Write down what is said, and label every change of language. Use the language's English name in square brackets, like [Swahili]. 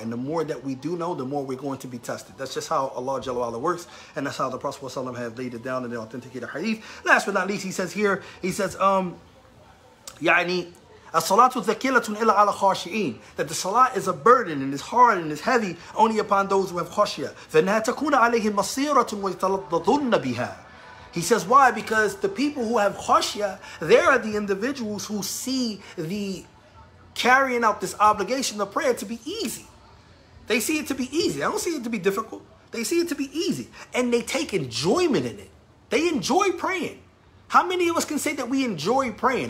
[English] And the more that we do know, the more we're going to be tested. That's just how Allah Jalla Wala works. And that's how the Prophet ﷺ has laid it down in the authenticated hadith. Last but not least, he says here, [Arabic] يعني الصلاه ثقيله الا على خاشعين, [English] that the salah is a burden and is hard and is heavy only upon those who have khashya. [Arabic] فانها تكون عليهم مصيره ويتلذذون بها. [English] He says why? Because the people who have khashya, they are the individuals who see the carrying out this obligation of prayer to be easy. They see it to be easy. They don't see it to be difficult. They see it to be easy, and they take enjoyment in it. They enjoy praying. How many of us can say that we enjoy praying?